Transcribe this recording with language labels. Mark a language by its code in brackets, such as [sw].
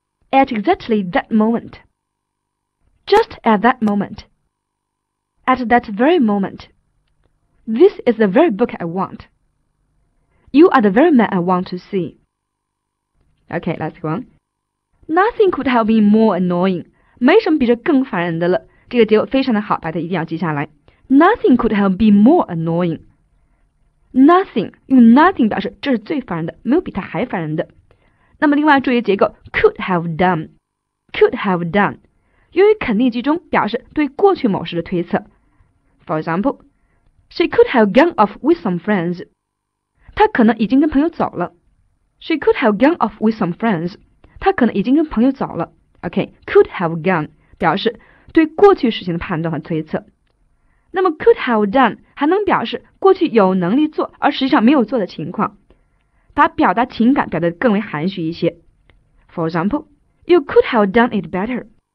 [en] At exactly that moment. Just at that moment, at that very moment, this is the very book I want. You are the very man I want to see. Okay, let's go on. Nothing could have been more annoying. [zh] 没什么比这更烦人的了。这个结果非常的好，大家一定要记下来。 [en] Nothing could have been more annoying. Nothing, [zh] 用 nothing 表示这是最烦人的，没有比它还烦人的。那么另外注意结构 [en] could have done, could have done. [zh] 用于肯定句中表示对过去某事的推测。 [en] For example, she could have gone off with some friends. [zh] 她可能已经跟朋友走了。 [en] She could have gone off with some friends. [zh] 她可能已经跟朋友走了。OK, [en] could have gone [zh] 表示对过去事情的判断和推测。那么 [en] could have done [zh] 还能表示过去有能力做而实际上没有做的情况。把表达情感表达更为含蓄一些。 [en] For example, you could have done it better.